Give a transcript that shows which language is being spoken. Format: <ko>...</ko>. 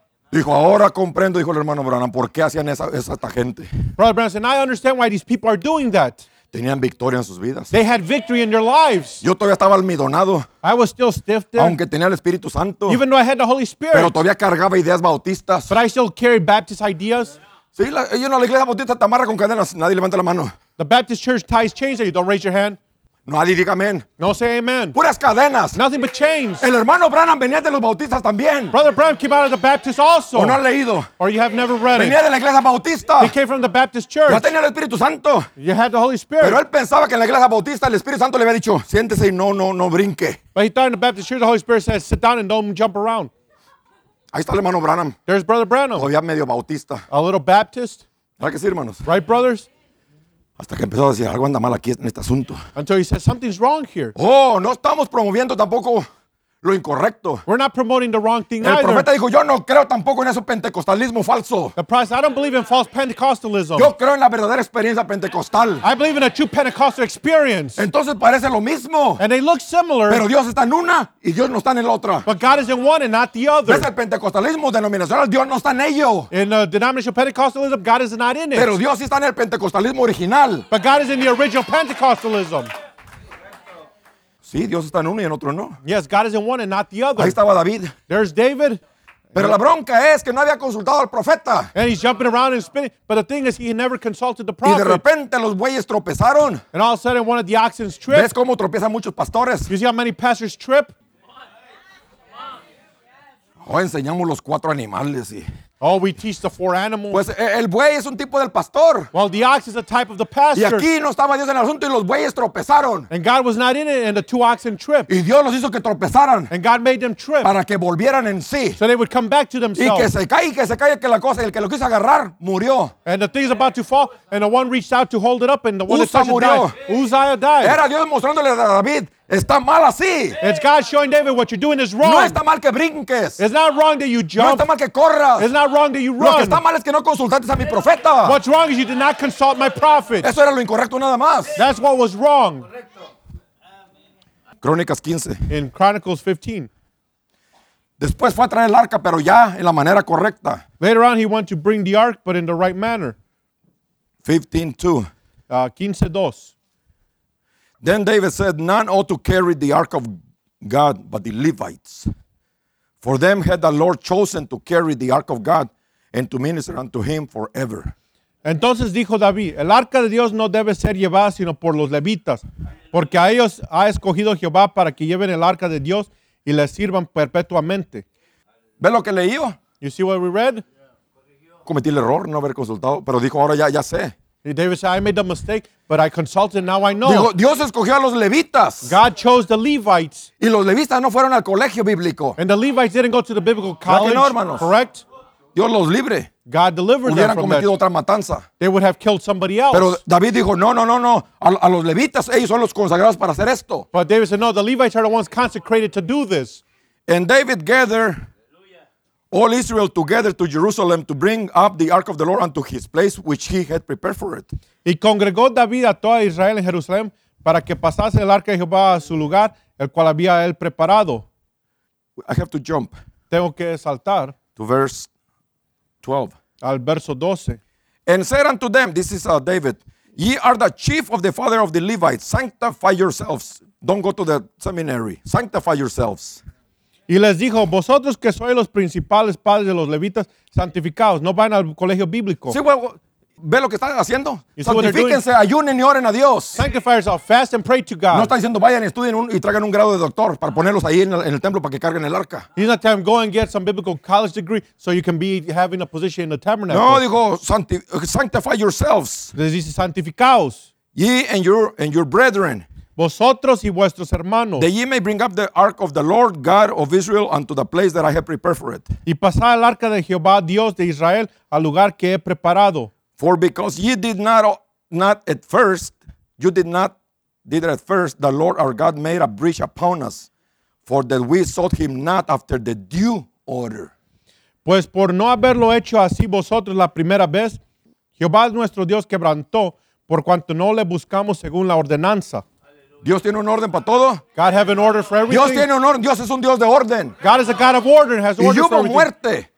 <es>Dijo, ahora comprendo, dijo el hermano Branham, por qué hacían esa esta gente.</es> <en>Brother Branham said, I understand why these people are doing that.</en> <es>Tenían victoria en sus vidas.</es> <en>They had victory in their lives.</en> <es>Yo todavía estaba almidonado.</es> <en>I was still stiff there.</en> <es>Aunque tenía el Espíritu Santo.</es> <en>Even though I had the Holy Spirit.</en> <es>Pero todavía cargaba ideas bautistas.</es> <en>But I still carried Baptist ideas.</en> <es>Sí, yo no, la iglesia bautista te amarra con cadenas. Nadie levanta la mano.</es> <en>The Baptist church ties chains that you don't raise your hand.</en> <es>Nadie diga amén.</es> <en>No say amen.</en> <es>Puras cadenas.</es> <en>Nothing but chains.</en> <es>El hermano Branham venía de los bautistas también.</es> <en>Brother Branham came out of the Baptist also.</en> <es>O no ha leído.</es> <en>Or you have never read</en> <es>venía Venía de la iglesia bautista.</es> <en>He came from the Baptist church.</en> <es>Ya tenía el Espíritu Santo.</es> <en>You had the Holy Spirit.</en> <es>Pero él pensaba que en la iglesia bautista el Espíritu Santo le había dicho, siéntese y no brinque.</es> <en>But he thought in the Baptist church the Holy Spirit says, sit down and don't jump around.</en> <es>Ahí está el hermano Branham.</es> <en>There's Brother Branham.</en> <es>Todavía medio bautista.</es> <en>A little Baptist.</en> <es>¿Verdad que sí, hermanos?</es> <en>Right, brothers?</en> <es>Hasta que empezó a decir, algo anda mal aquí en este asunto.</es> <en>Until he said, something's wrong here.</en> <es>Oh, no estamos promoviendo tampoco lo incorrecto.</es> <en>We're not promoting the wrong thing</en> <es>el El profeta dijo, yo no creo tampoco en ese pentecostalismo falso.</es> <en>The prophet said, I don't believe in false Pentecostalism.</en> <es>Yo creo en la verdadera experiencia pentecostal.</es> <en>I believe in a true Pentecostal experience.</en> <es>Entonces parece lo mismo.</es> <en>And they look similar.</en> <es>Pero Dios está en una y Dios no está en la otra.</es> <en>But God is in one and not the other.</en> <es>Es el pentecostalismo denominacional, Dios no está en ello.</es> <en>In the denominational Pentecostalism, God is not in it.</en> <es>Pero Dios está en el pentecostalismo original.</es> <en>But God is in the original Pentecostalism.</en> <es>Sí, Dios está en uno y en otro no.</es> <en>Yes, God is in one and not the other.</en> <es>Ahí estaba David.</es> <en>There's David.</en> <es>Pero la bronca es que no había consultado al profeta.</es> <en>And he's jumping around and spinning. But the thing is, he never consulted the prophet.</en> <es>Y de repente los bueyes tropezaron.</es> <en>And all of a sudden, one of the oxen tripped.</en> <es>¿Ves cómo tropiezan muchos pastores?</es> <en>You see how many pastors trip?</en> <es>Oh, enseñamos los cuatro animales y...</es> <en>Oh, we teach the four animals.</en> <es>Pues el buey es un tipo del pastor.</es> <en>Well, the ox is a type of the pastor.</en> <es>Y aquí no estaba Dios en el asunto y los bueyes tropezaron.</es> <en>And God was not in it, and the two oxen tripped.</en> <es>Y Dios los hizo que tropezaran.</es> <en>And God made them trip.</en> <es>Para que volvieran en sí.</es> <en>So they would come back to themselves.</en> <es>Y que se caiga, que la cosa, el que lo quiso agarrar, murió.</es> <en>And the thing is about to fall, and the one reached out to hold it up, and the one that touched</en> <es>murió.</es> <en>It died. Uzziah died.</en> <es>Era Dios mostrándole a David. Está mal así.</es> <en>It's God showing David what you're doing is wrong.</en> <es>No está mal que brinques.</es> <en>It's not wrong that you jump.</en> <es>No está mal que corras.</es> <en>It's not wrong that you run.</en> <es>Lo que está mal es que no consultaste a mi profeta.</es> <en>What's wrong is you did not consult my prophet.</en> <es>Eso era lo incorrecto nada más.</es> <en>That's what was wrong.</en> <es>Crónicas 15.</es> <en>In Chronicles 15.</en> <es>Después fue a traer el arca, pero ya en la manera correcta.</es> <en>Later on he went to bring the ark, but in the right manner. 15:2. Then David said, none ought to carry the ark of God but the Levites. For them had the Lord chosen to carry the ark of God and to minister unto him forever.</en> <es>Entonces dijo David, el arca de Dios no debe ser llevada sino por los levitas, porque a ellos ha escogido Jehová para que lleven el arca de Dios y les sirvan perpetuamente. ¿Ve lo que leí?</es> <en>You see what we read?</en> <es>Cometí el error no haber consultado, pero dijo, ahora ya sé.</es> <en>David said, I made a mistake, but I consulted, now I know.</en> <es>Dios escogió a los levitas.</es> <en>God chose the Levites.</en> <es>Y los levitas no fueron al colegio bíblico.</es> <en>And the Levites didn't go to the biblical college.</en> <es>No, hermanos.</es> <en>Correct?</en> <es>Dios los libre.</es> <en>God delivered</en> <es>hubieran</es> <en>them from</en> <es>cometido</es> <en>that.</en> <es>Otra matanza.</es> <en>They would have killed somebody else.</en> <es>Pero David dijo, no. A los levitas, ellos son los consagrados para hacer esto.</es> <en>But David said, no, the Levites are the ones consecrated to do this. And David gathered all Israel together to Jerusalem to bring up the ark of the Lord unto his place which he had prepared for it.</en> <es>Y congregó David a toda Israel en Jerusalén para que pasase el arca de Jehová a su lugar, el cual había él preparado.</es> <en>I have to jump.</en> <es>Tengo que saltar.</es> <en>To verse 12.</en> <es>Al verso 12.</es> <en>And said unto them, this is David, ye are the chief of the father of the Levites. Sanctify yourselves. Don't go to the seminary. Sanctify yourselves.</en> <es>Y les dijo, vosotros que sois los principales padres de los levitas, santificados, no vayan al colegio bíblico. Sí, bueno, ve lo que están haciendo. Santifíquense, ayunen y oren a Dios.</es> <en>Sanctify yourself, fast and pray to God.</en> <es>No está diciendo, vayan, estudien y traigan un grado de doctor para ponerlos ahí en el templo para que carguen el arca.</es> <en>He's not telling them, go and get some biblical college degree so you can be having a position in the tabernacle.</en> <es>No, dijo,</es> <en>sanctify yourselves.</en> <es>Les dice, santificaos.</es> <en>Ye and your brethren.</en> <es>Vosotros y vuestros hermanos.</es> <en>That ye may bring up the ark of the Lord God of Israel unto the place that I have prepared for it.</en> <es>Y pasar el arca de Jehová Dios de Israel al lugar que he preparado.</es> <en>For because ye did not at first, the Lord our God made a breach upon us, for that we sought him not after the due order.</en> <es>Pues por no haberlo hecho así vosotros la primera vez, Jehová nuestro Dios quebrantó, por cuanto no le buscamos según la ordenanza. Dios tiene un orden para todo.</es> <en>God have an order for everything.</en> <es>Dios tiene un orden. Dios es un Dios de orden.</es> <en>God is a God of order and has order for everything.</en> <es>Y hubo muerte.</es>